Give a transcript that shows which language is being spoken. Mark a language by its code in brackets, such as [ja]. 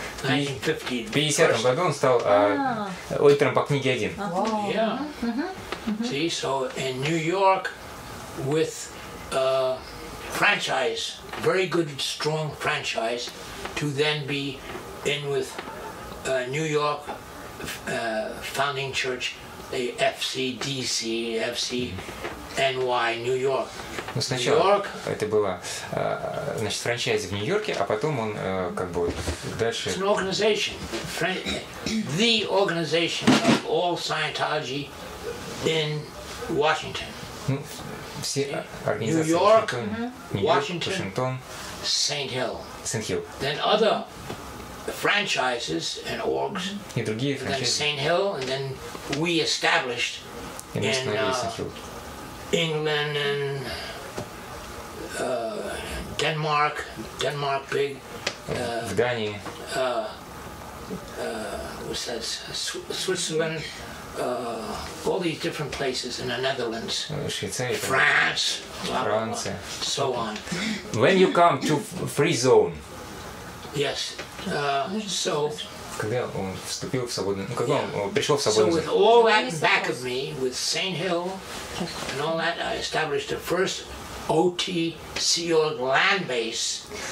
[ru] 50-м году он стал аудитором по книге один. [en] See, so in New York with a franchise, very good strong franchise, to then be in with New York founding church, the FCDC, FC NY, New York. [ru] Ну, сначала [en] York. [ru] Это было, значит, франчайз в Нью-Йорке, а потом он, как бы, дальше. [en] It's an organization, the organization of all Scientology in Washington. [ru] Ну, все организации. [en] New York, [ru] Нью-Йорк, Вашингтон, [en] Сент-Хилл. Then other franchises and orgs. [ru] И другие франчайзы. [en] Then Сент-Хилл, and then we established in England and Denmark big. [ru] В Дании. [en] What's that? Switzerland. All these different places in the Netherlands. [ru] Швейцария. [en] France. [ru] Франция. [en] So on. When you come to free zone. Yes. So. [ru] Когда он вступил в свободный, ну, когда он пришел в свободный. [en] So with all that back of me, with Saint Hill and all that, I established the first OT Sea-Org land base.